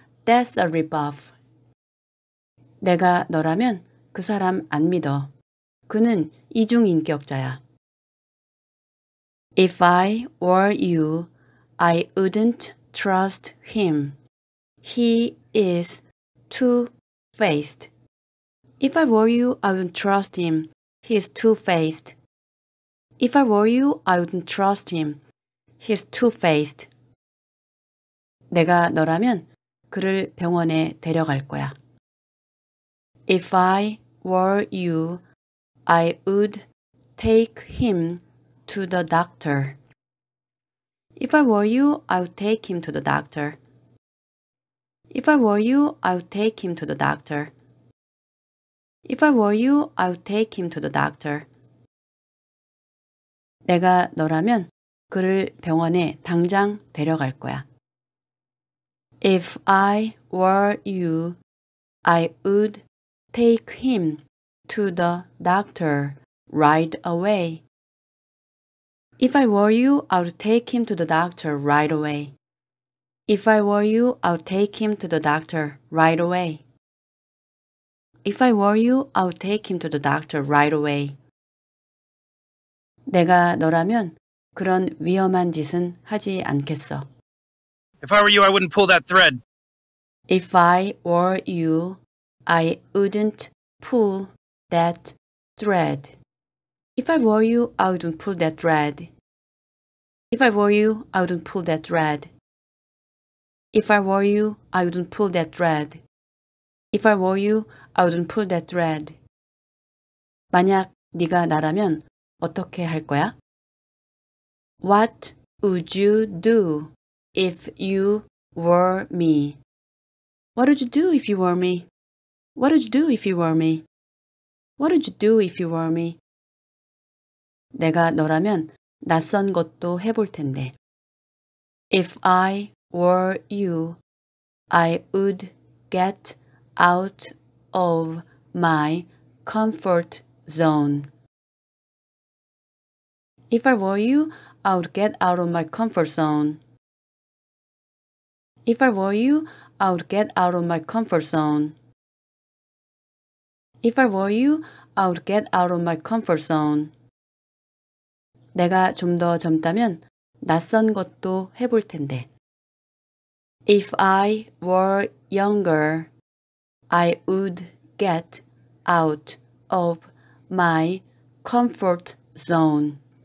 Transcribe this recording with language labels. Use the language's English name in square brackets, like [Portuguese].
[English] That's a rip-off. [Korean] 내가 너라면 그 사람 안 믿어. 그는 이중인격자야. [English] If I were you, I wouldn't trust him. He is two-faced. If I were you, I wouldn't trust him. He is two-faced. If I were you, I wouldn't trust him. He is two-faced. [Korean] 내가 너라면 그를 병원에 데려갈 거야. [English] If I were you, I would take him to the doctor. If I were you, I would take him to the doctor. If I were you, I would take him to the doctor. If I were you, I would take him to the doctor. [Korean] 내가 너라면 그를 병원에 당장 데려갈 거야. [English] If I were you, I would take him to the doctor right away. If I were you, I would take him to the doctor right away. If I were you, I would take him to the doctor right away. If I were you, I would take him to the doctor right away. [Korean] 내가 너라면 그런 위험한 짓은 하지 않겠어. [English] If I were you, I wouldn't pull that thread. If I were you, I wouldn't pull that thread. If I were you, I wouldn't pull that thread. If I were you, I wouldn't pull that thread. If I were you, I wouldn't pull that thread. If I were you, I wouldn't pull that thread. [Korean] 만약 네가 나라면 어떻게 할 거야? [English] What would you do? If you were me, what would you do if you were me? What would you do if you were me? What would you do if you were me? [Korean] 내가 너라면 낯선 것도 해볼 텐데. [English] If I were you, I would get out of my comfort zone. If I were you, I would get out of my comfort zone. If I were you, I would get out of my comfort zone. If I were you, I would get out of my comfort zone. [Korean] 내가 좀 더 젊다면 낯선 것도 해볼 텐데. [English] If I were younger, I would get out of my comfort zone.